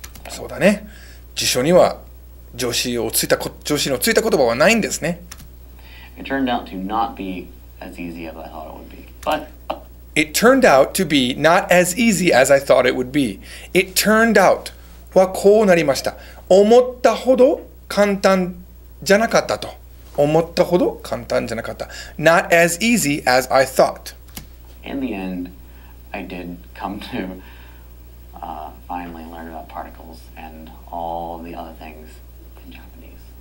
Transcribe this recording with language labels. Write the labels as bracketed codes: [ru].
[ja] そうだね。辞書には助詞のついた言葉はないんですね。 [en] It turned out to not be as easy as I thought it would be. But it turned out to be not as easy as I thought it would be. It turned out [ja] はこうなりました。思ったほど簡単じゃなかったと。思ったほど簡単じゃなかった。 [en] Not as easy as I thought. In the end. I did come to finally learn about particles and all the other things in Japanese.